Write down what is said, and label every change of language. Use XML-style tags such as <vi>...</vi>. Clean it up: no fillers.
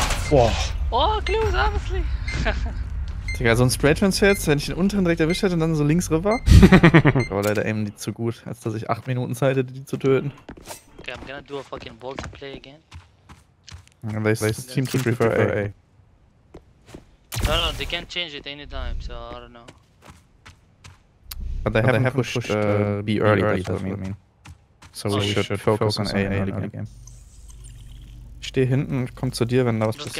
<en>Boah. Oh, close, honestly.</en> <de>Digga, so ein Spray-Transfer, wenn ich den unteren direkt erwischt hätte und dann so links rüber. Aber leider aimen die zu gut, als dass ich 8 Minuten Zeit hätte, die zu töten.</de> <en>Okay, I'm gonna do a fucking vault play again.</en> <de>Welches Team</de> <en>to prefer A? I don't know, they can't change it anytime, so I don't know. But they haven't pushed B early, that's what I mean. So we should focus on A in early game.</en> <de>Ich stehe hinten und komm zu dir, wenn da was passiert,</de>